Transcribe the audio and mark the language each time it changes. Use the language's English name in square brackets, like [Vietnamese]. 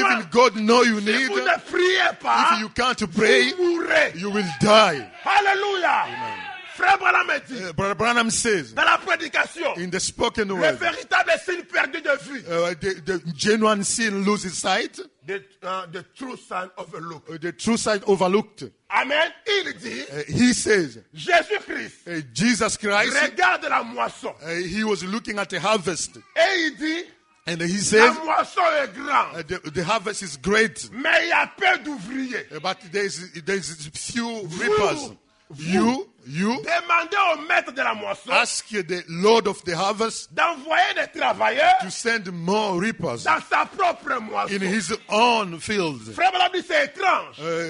[English] Even God knows you [French] si [English] need. [French] Vous ne priez pas, [English] if you can't pray, [French] vous mourrez. [English] You will die. Hallelujah. Amen. [French] Frère Branham dit, [English] Brother Branham says, [French] dans la prédication, [English] in the spoken word, [French] le véritable signe perdu de vue, [English] the genuine sin loses sight, the true sign overlooked, the true sign overlooked. [French] Amen. Il dit, [English] he says, [French] Jésus Christ, [English] Jesus Christ, [French] regarde la moisson, [English] he was looking at the harvest, [French] et il dit, [English] and he says, [French] la moisson est grand, [English] the harvest is great, [French] mais il y a peu d'ouvriers, [English] but there's few reapers. [French] Vous demandez au maître de la moisson, [English] ask the Lord of the harvest, [French] d'envoyer des travailleurs, [English] to send more reapers, [French] dans sa propre moisson, [English] in his own field. [French] Frère Branham dit c'est étrange.